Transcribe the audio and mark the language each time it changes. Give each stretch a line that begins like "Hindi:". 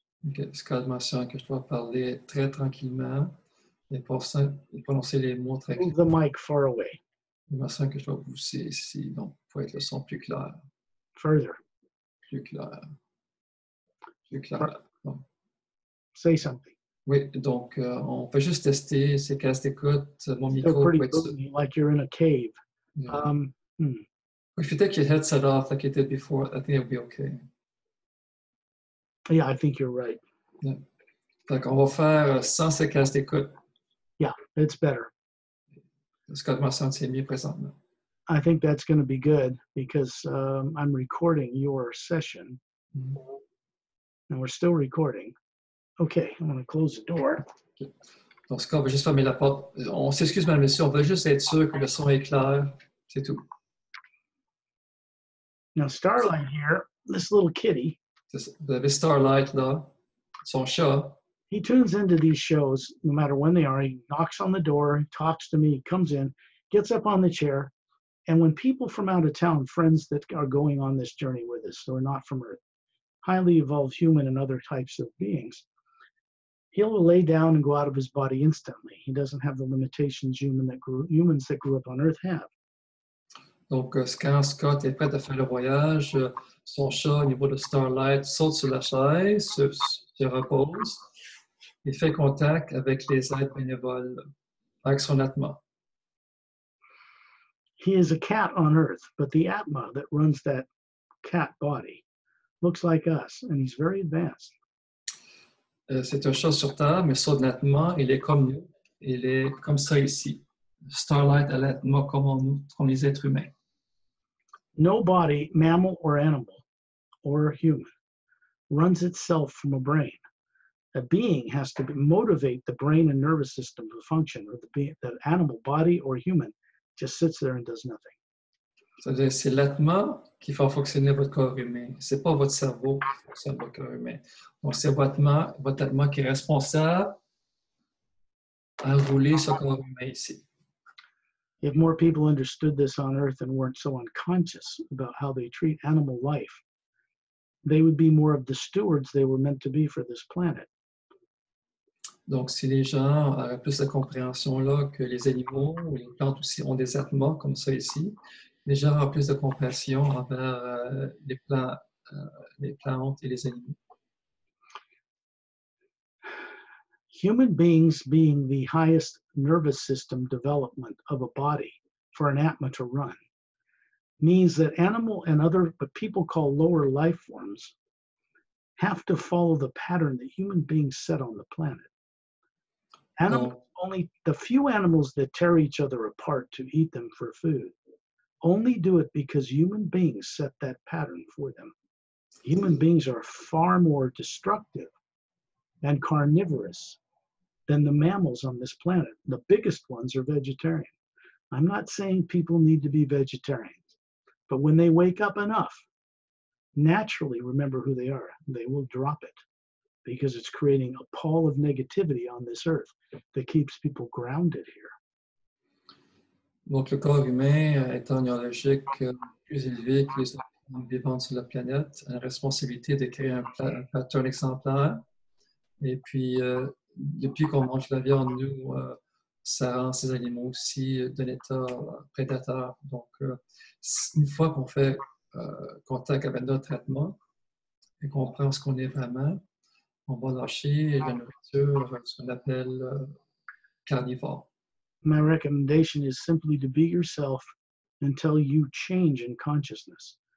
English: Okay.
French: Scott Marcel, que je dois parler très tranquillement et prononcer les mots très
English: clairs. Move the mic far away.
French: Marcel, que je dois pousser ici, donc pour être le son plus clair.
English: Further.
French: Plus clair. Plus clair. Bon.
English: Say something.
French: Oui, donc on peut juste tester ces casques d'écoute, mon micro.
English: They're pretty boomy, like you're in a cave. Yeah. If you take your headset off like you did before, I think it'll be okay. Yeah, I think you're right. Yeah.
French: Donc on va faire sans ces casques d'écoute.
English: Yeah, it's better.
French: Scott Masson, c'est mieux présentement.
English: I think that's going to be good because I'm recording your session. Mm-hmm. And we're still recording. Okay, I'm going to close the door.
French: Donc, Scott, on va juste fermer la porte. On s'excuse, madame, monsieur, on veut juste être sûr que le son est clair. C'est tout.
English: Now, Starlight here, this little kitty.
French: The Starlight, là, son chat.
English: He tunes into these shows, no matter when they are. He knocks on the door, talks to me, comes in, gets up on the chair. And when people from out of town, friends that are going on this journey with us, who are not from Earth, highly evolved human and other types of beings, he'll lay down and go out of his body instantly. He doesn't have the limitations humans that grew up on Earth have.
French: Donc, quand Scott est prêt à faire le voyage, son chat, au niveau de Starlight, saute sur la chaise, se repose, et fait contact avec les êtres bénévoles, avec son Atma.
English: He is a cat on Earth, but the Atma that runs that cat body looks like us, and he's very advanced.
French: C'est un chat sur Terre, mais son Atma, il est comme nous. Il est comme ça ici. Starlight a l'Atma comme nous, comme les êtres humains.
English: No body, mammal or animal, or human, runs itself from a brain. A being has to motivate the brain and nervous system to function, or the animal, body or human, just sits there and does nothing.
French: C'est l'Atma qui fait fonctionner votre corps humain. Ce n'est pas votre cerveau qui fonctionne votre corps humain. Donc, c'est votre Atma qui est responsable à rouler ce corps humain ici.
English: If more people understood this on Earth and weren't so unconscious about how they treat animal life, they would be more of the stewards they were meant to be for this planet.
French: Donc, si les gens avaient plus de compréhension là que les animaux ou les plantes aussi ont des Atma comme ça ici, les gens auraient plus de compréhension envers les plantes et les animaux.
English: Human beings being the highest nervous system development of a body for an Atma to run means that animal and other, what people call lower life forms, have to follow the pattern that human beings set on the planet. Only the few animals that tear each other apart to eat them for food only do it because human beings set that pattern for them. Human beings are far more destructive and carnivorous than the mammals on this planet. The biggest ones are vegetarian. I'm not saying people need to be vegetarians, but when they wake up enough, naturally remember who they are, they will drop it because it's creating a pall of negativity on this earth that keeps people grounded here.
French: Donc le corps humain étant neurologique plus élevé que les autres vivants sur la planète, a la responsabilité de créer un pattern exemplaire. Et puis, depuis qu'on mange la viande, nous, ça rend ces animaux aussi d'un état prédateur. Donc, une fois qu'on fait contact avec notre traitement et qu'on prend ce qu'on est vraiment, on va lâcher la nourriture, ce qu'on appelle carnivore.
English: My recommendation is simply to be yourself until you change in consciousness.